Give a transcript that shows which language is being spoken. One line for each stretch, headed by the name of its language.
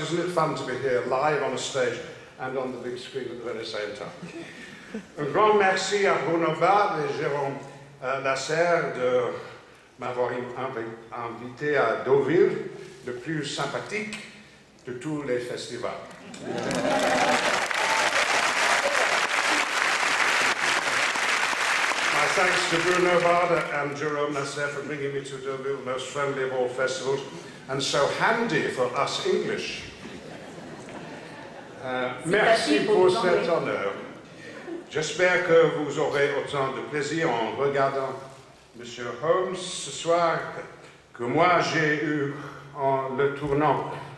English: Isn't it fun to be here live on a stage and on the big screen at the very same time?
French: Un grand merci à Bruno Bab et Jérôme Lasserre de m'avoir invité à Deauville, le plus sympathique de tous les festivals.
English: My thanks to Bruno Varda and Jerome Nasser for bringing me to Deauville, the most friendly of all festivals, and so handy for us English.
French: Merci pour cet honneur. J'espère que vous aurez autant de plaisir en regardant Monsieur Holmes ce soir que moi j'ai eu en le tournant.